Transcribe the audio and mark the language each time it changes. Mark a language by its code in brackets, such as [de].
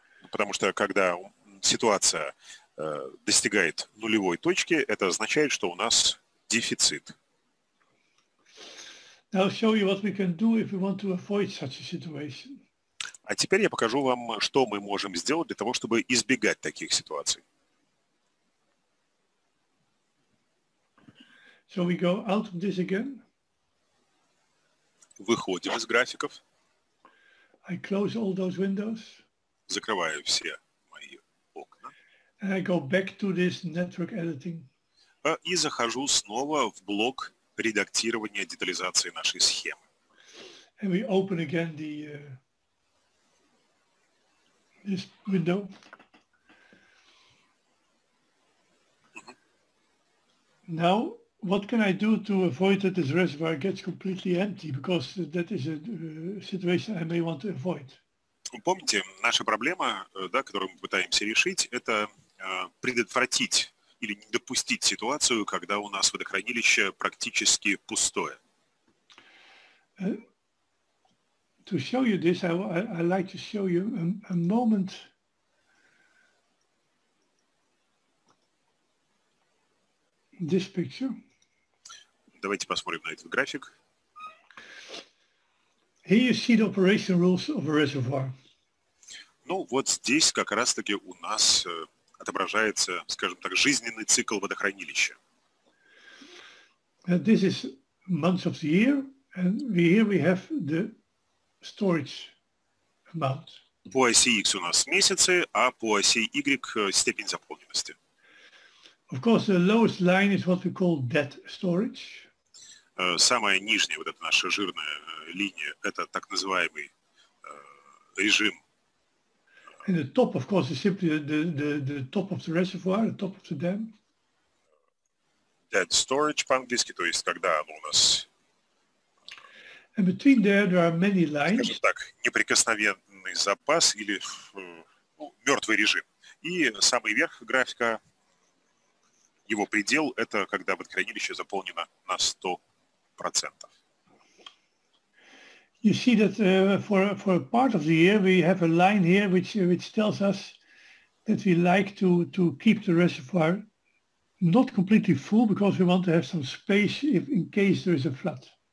[ru] Потому что когда ситуация достигает нулевой точки, это означает, что у нас дефицит. [en] I'll show you what we can do if we want to avoid such a situation. [ru] А теперь я покажу вам, что мы можем сделать для того, чтобы избегать таких ситуаций. [en] So we go out of this again. [ru] Выходим из графиков. [en] I close all those windows. [ru] Закрываю все мои окна. [en] And I go back to this network editing. [ru] И захожу снова в блок редактирования детализации нашей схемы. [en] And we open again the this window. Now, what can I do to avoid that this reservoir gets completely empty? Because that is a situation I may want to avoid. [ru] Помните, наша проблема, да, которую мы пытаемся решить, это предотвратить или не допустить ситуацию, когда у нас водохранилище практически пустое. [en] To show you this, I'd like to show you a moment. This picture. [ru] Давайте посмотрим на этот график. [en] Here you see the operation rules of a reservoir. [ru] Ну, вот здесь как раз-таки у нас отображается, скажем так, жизненный цикл водохранилища. [en] This is months of the year, and here we have the storage amount. [ru] По оси X у нас месяцы, а по оси Y степень заполненности. [en] Of course, the lowest line is what we call dead storage. [ru] Самая нижняя вот эта наша жирная линия – это так называемый режим. [en] And the top, of course, is simply the top of the reservoir, the top of the dam. [ru] Dead storage по-английски, то есть когда оно у нас. [en] And between there are many lines. [ru] Скажем так, неприкосновенный запас или мертвый режим. И самый верх графика, его предел, это когда водохранилище заполнено на 100%. [en] You see that for a part of the year we have a line here which tells us that we like to keep the reservoir not completely full because we want to have some space in case there is a flood.